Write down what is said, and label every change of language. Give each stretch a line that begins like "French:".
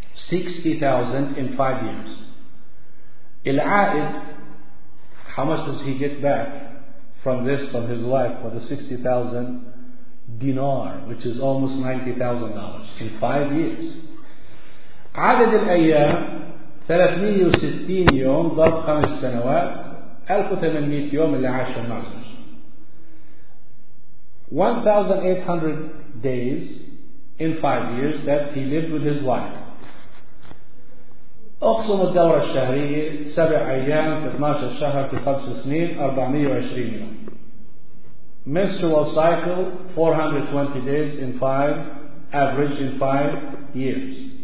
English: 60,000 in 5 years. العائد, how much does he get back from this, from his wife, for the 60,000 dinar, which is almost $90,000 in 5 years.
Arabic: عدد الأيام 360 يوم ضرب 5 سنوات 1800 يوم اللي عاشوا مع زوجته.
English: 1800 days in 5 years that he lived with his wife.
Arabic: أقسم الدورة الشهرية 7 أيام في 12 شهر في 5 سنين 420 يوم.
English: Menstrual cycle 420 days in 5, average in 5 years.